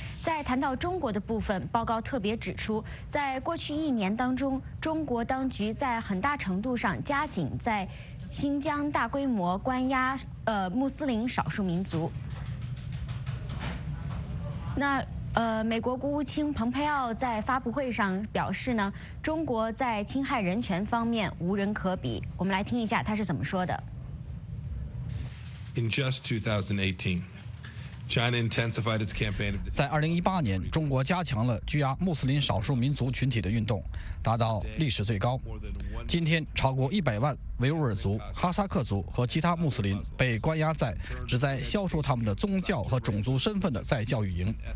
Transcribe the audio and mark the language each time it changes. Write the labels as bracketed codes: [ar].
[zh] 在谈到中国的部分，报告特别指出，在过去一年当中，中国当局在很大程度上加紧在新疆大规模关押穆斯林少数民族。那美国国务卿蓬佩奥在发布会上表示呢，中国在侵害人权方面无人可比。我们来听一下他是怎么说的。 [en] In just 2018, China intensified its campaign. [zh] 在2018年，中国加强了拘押穆斯林少数民族群体的运动，达到历史最高。今天，超过100万维吾尔族、哈萨克族和其他穆斯林被关押在旨在消除他们的宗教和种族身份的在教育营。